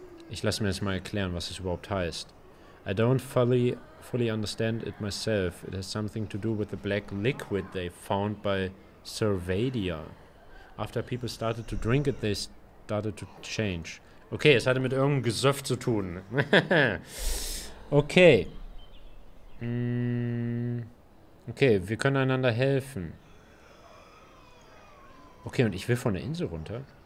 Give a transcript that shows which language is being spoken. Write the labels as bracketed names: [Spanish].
[German] Ich lasse mir jetzt mal erklären, was es überhaupt heißt. [English] I don't fully understand it myself. It has something to do with the black liquid they found by Cervadia. After people started to drink it, they started to change. [German] Okay, es hatte mit irgendeinem Gesöff zu tun. Okay. Okay, wir können einander helfen. Okay, und ich will von der Insel runter.